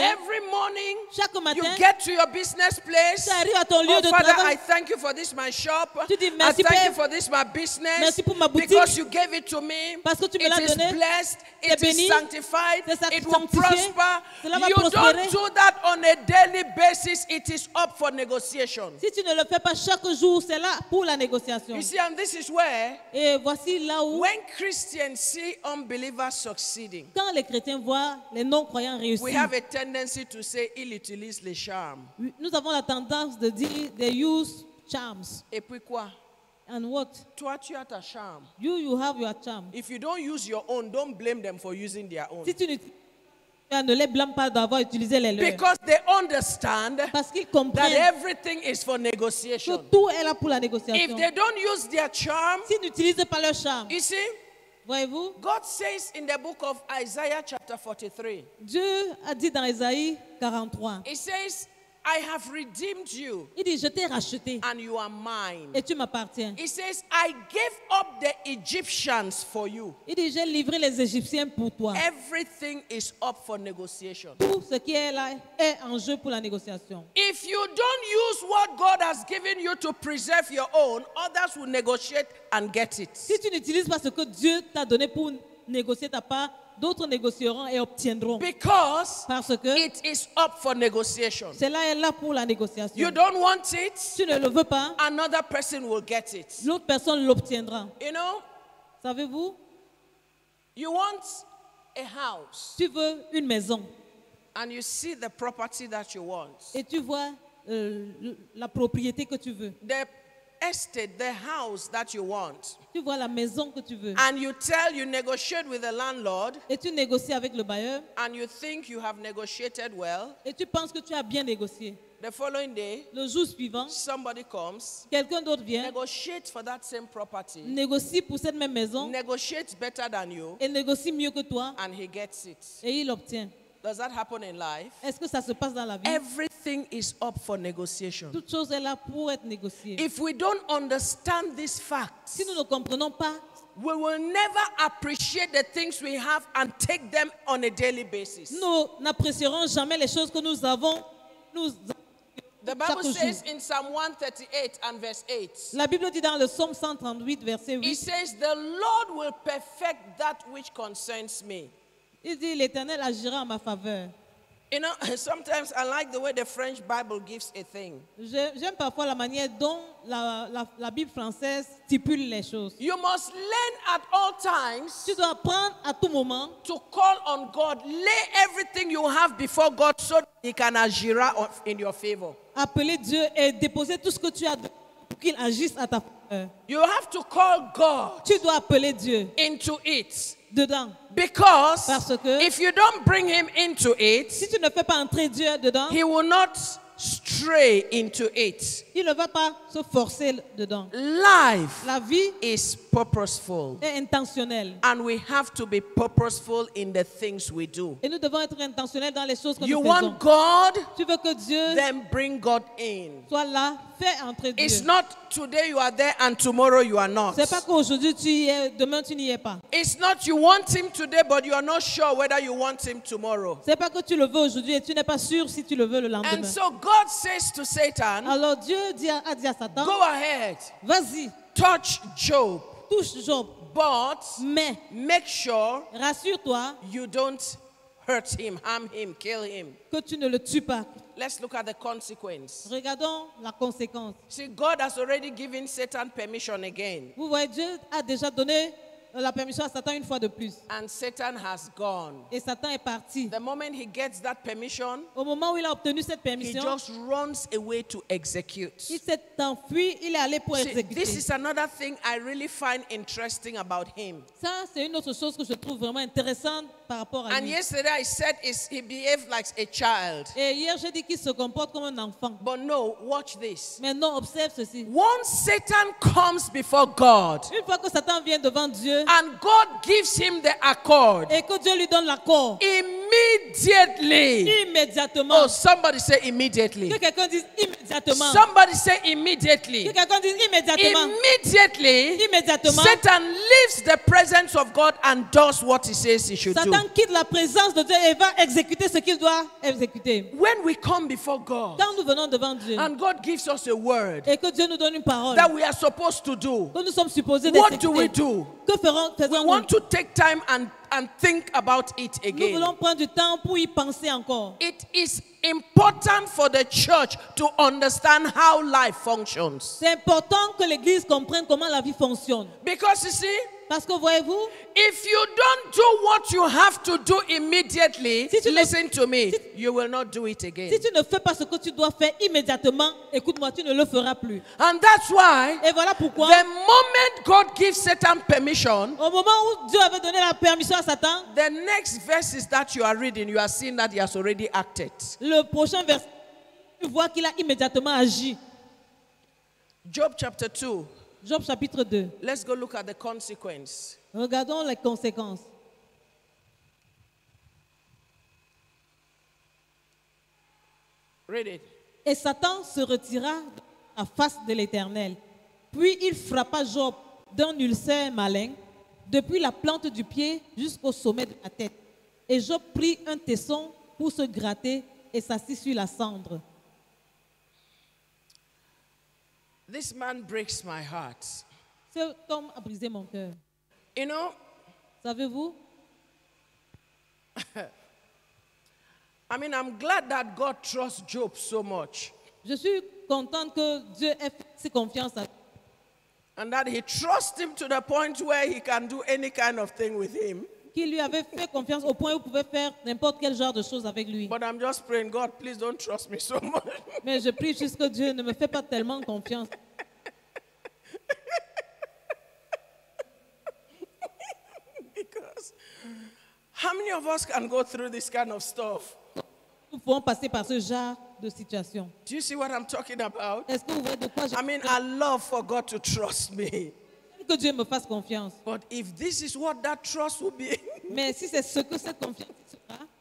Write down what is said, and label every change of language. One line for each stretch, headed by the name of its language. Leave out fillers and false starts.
English: Every morning,
French: chaque matin,
English: you get to your business place.
French: Tu arrives à ton lieu oh, de
English: Father,
French: travail.
English: Father, I thank you for this my shop.
French: Tu dis merci
English: I thank
French: Père,
English: you for this my business.
French: Merci pour ma boutique.
English: Because you gave it to me.
French: Parce que tu me l'as donné.
English: It is blessed.
French: C'est
English: it
French: béni,
English: is sanctified.
French: C'est sanctifié,
English: it will prosper.
French: Cela va
English: you
French: prospérer.
English: Don't do that on a daily basis. It is up for negotiation.
French: Si tu ne le fais pas chaque jour, c'est là pour la négociation.
English: You see, and this is where.
French: Et voici là où.
English: When Christians see unbelievers succeeding.
French: Quand les chrétiens voient les non-croyants réussir.
English: We have a tendency to say
French: ill utilise les charmes. Nous avons la tendance de dire
English: they use charms.
French: Et puis quoi?
English: And what?
French: Toi, tu as ta charme.
English: You have your charm. If you don't use your own, don't blame them for using their own.
French: Si tu ne les blâme pas d'avoir utilisé les leurs.
English: Because they understand
French: parce qu'ils comprennent
English: that everything is for negotiation.
French: Que tout est là pour la négociation.
English: If they don't use their charm,
French: s'ils n'utilisent pas leur charme,
English: you see,
French: voyez-vous,
English: God says in the book of Isaiah chapter 43.
French: Dieu a dit dans Isaïe 43.
English: He says, I have redeemed you.
French: Il dit, je t'ai racheté.
English: And you are mine.
French: Et tu m'appartiens.
English: He says, I gave up the Egyptians for you.
French: Il dit, j'ai livré les Égyptiens pour toi.
English: Everything is up for negotiation.
French: Tout ce qui est là est en jeu pour la négociation.
English: If you don't use what God has given you to preserve your own, others will negotiate and get it.
French: Si tu n'utilises pas ce que Dieu t'a donné pour négocier ta part, d'autres négocieront et obtiendront.
English: Because
French: parce que
English: it is up for negotiation.
French: Cela est là pour la négociation.
English: You don't want it,
French: tu ne le veux pas.
English: Another person will get it.
French: L'autre personne l'obtiendra.
English: You know,
French: savez-vous?
English: You want a house,
French: tu veux une maison.
English: And you see the property that you want.
French: Et tu vois la propriété que tu veux.
English: The estate, the house that you want.
French: Tu vois la maison que tu veux.
English: And you tell, you negotiate with the landlord.
French: Et tu négocies avec le bailleur.
English: And you think you have negotiated well.
French: Et tu penses que tu as bien négocié.
English: The following day,
French: le jour suivant,
English: somebody comes.
French: Quelqu'un d'autre vient.
English: Negotiate for that same property.
French: Négocie pour cette même maison.
English: Negotiate better than you.
French: Et négocie mieux que toi.
English: And he gets it.
French: Et il l'obtient.
English: Does that happen in life?
French: Est-ce que ça se passe dans la vie?
English: Everything is up for negotiation.
French: Toute chose est là pour être négociée.
English: If we don't understand this fact,
French: si nous ne comprenons pas,
English: we will never appreciate the things we have and take them on a daily basis.
French: Nous n'apprécierons jamais les choses que nous avons.
English: The Bible says in Psalm 138 and verse 8.
French: La Bible dit dans le Psaume 138 verset 8.
English: It says the Lord will perfect that which concerns me.
French: Il dit l'Éternel agira en ma faveur.
English: You know, sometimes I like the way the French Bible gives a thing.
French: J'aime parfois la manière dont la Bible française stipule les choses.
English: You must learn at all times.
French: Tu dois apprendre à tout moment.
English: To call on God, lay everything you have before God so that he can agira in your favor.
French: Appeler Dieu et déposer tout ce que tu as pour qu'il agisse à ta faveur.
English: You have to call God.
French: Tu dois appeler Dieu.
English: Into it.
French: Dedans.
English: Because
French: parce que
English: if you don't bring him into it,
French: si tu ne fais pas entrer Dieu dedans,
English: he will not stray into it.
French: Il ne va pas se forcer dedans.
English: Life,
French: la vie,
English: is purposeful.
French: Est intentionnelle.
English: And we have to be purposeful in the things we do.
French: Et nous devons être intentionnels dans les choses que
English: you
French: nous faisons.
English: You want God?
French: Tu veux que Dieu?
English: Then bring God in.
French: Sois là, fais entrer Dieu.
English: It's not today you are there and tomorrow you are not.
French: C'est pas qu'aujourd'hui tu y es, demain tu n'y es pas.
English: It's not you want him today but you are not sure whether you want him tomorrow.
French: C'est pas que tu le veux aujourd'hui et tu n'es pas sûr si tu le veux le lendemain.
English: And so God says to Satan,
French: alors Dieu dit à Satan,
English: go ahead,
French: vas-y,
English: touch Job,
French: touche Job,
English: but
French: mais
English: make sure,
French: rassure-toi,
English: you don't hurt him, harm him, kill him,
French: que tu ne le tues pas.
English: Let's look at the consequence.
French: Regardons la conséquence.
English: See, God has already given Satan permission again.
French: Vous voyez, Dieu a déjà donné la permission à Satan une fois de plus.
English: And Satan has gone.
French: Et Satan est parti.
English: The moment he gets that permission,
French: au moment où il a obtenu cette permission,
English: he just runs away to execute.
French: Il s'est enfui, il est allé pour
English: see,
French: exécuter.
English: This is another thing I really find interesting about him.
French: Ça, c'est une autre chose que je trouve vraiment intéressante par rapport à
English: and
French: lui.
English: Yesterday I said he behaved like a child.
French: Et hier j'ai dit qu'il se comporte comme un enfant.
English: But no, watch this.
French: Mais non, observe ceci.
English: Once Satan comes before God,
French: une fois que Satan vient devant Dieu,
English: and God gives him the accord,
French: et que Dieu lui donne l'accord,
English: immediately.
French: Immédiatement.
English: Oh, somebody say immediately.
French: Que quelqu'un dise immédiatement.
English: Somebody say immediately.
French: Que quelqu'un dise immédiatement.
English: Immediately.
French: Immédiatement.
English: Satan leaves the presence of God and does what he says he should
French: Satan
English: do.
French: Satan quitte la présence de Dieu et va exécuter ce qu'il doit exécuter.
English: When we come before God,
French: quand nous venons devant Dieu,
English: and God gives us a word,
French: et que Dieu nous donne une parole,
English: that we are supposed to do,
French: que nous sommes supposés d'exécuter,
English: what do we do?
French: Que ferons-nous?
English: We want to take time and think about it again.
French: Nous voulons prendre du temps pour y penser encore.
English: It is important for the church to understand how life functions.
French: C'est important que l'église comprenne comment la vie fonctionne.
English: Because you see,
French: parce que voyez-vous,
English: if you don't do what you have to do immediately,
French: si tu
English: listen to me, si, you will not do it again.
French: Si tu ne fais pas ce que tu dois faire immédiatement, écoute-moi, tu ne le feras plus.
English: And that's why,
French: et voilà pourquoi,
English: the moment God gives Satan permission,
French: au moment où Dieu avait donné la permission à Satan,
English: the next verses that you are reading, you are seeing that he has already acted.
French: Le prochain verset, tu vois qu'il a immédiatement agi.
English: Job chapter 2.
French: Job chapitre 2.
English: Let's go look at the consequence.
French: Regardons les conséquences.
English: Read it.
French: Et Satan se retira à face de l'Éternel. Puis il frappa Job d'un ulcère malin, depuis la plante du pied jusqu'au sommet de la tête. Et Job prit un tesson pour se gratter et s'assit sur la cendre.
English: This man breaks my heart.
French: Cet homme a brisé mon cœur.
English: You know,
French: savez-vous?
English: I mean, I'm glad that God trusts Job so much.
French: Je suis contente que Dieu ait fait si confiance à.
English: And that he trusts him to the point where he can do any kind of thing with him.
French: Qu'il lui avait fait confiance au point où il pouvait faire n'importe quel genre de choses avec lui.
English: But I'm just praying, God, please don't trust me so much.
French: Mais je prie juste que Dieu ne me fait pas tellement confiance.
English: Because how many of us can go through this kind of stuff?
French: Nous pouvons passer par ce genre de situation.
English: Do you see what I'm talking about?
French: Est-ce que vous voyez de quoi je
English: parle? I mean, I love for God to trust me.
French: Que Dieu me fasse confiance.
English: But if this is what that trust will be,
French: mais si c'est ce que cette confiance sera.